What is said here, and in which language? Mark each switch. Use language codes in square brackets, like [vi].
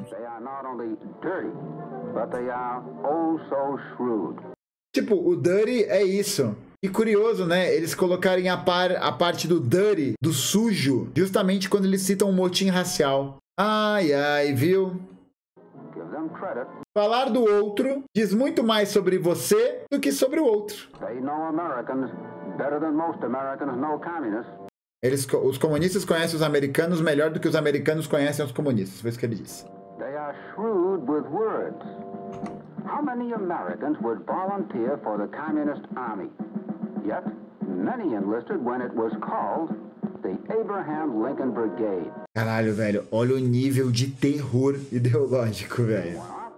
[en] They are not only dirty, but they are also shrewd. [pt] Tipo, o dirty é isso. E curioso, né? Eles colocarem a parte do dirty, do sujo, justamente quando eles citam um motim racial. Ai, ai, viu? [en] Give them credit. [pt] Falar do outro diz muito mais sobre você do que sobre o outro. [en] They know Americans better than most Americans know communists. [pt] Eles, os comunistas conhecem os americanos melhor do que os americanos conhecem os comunistas. Foi isso que ele disse. [en] They are shrewd with words. How many Americans would volunteer for the communist army? Yet, many enlisted when it was called the Abraham Lincoln Brigade. [pt] Caralho, velho. Olha o nível de terror ideológico, velho.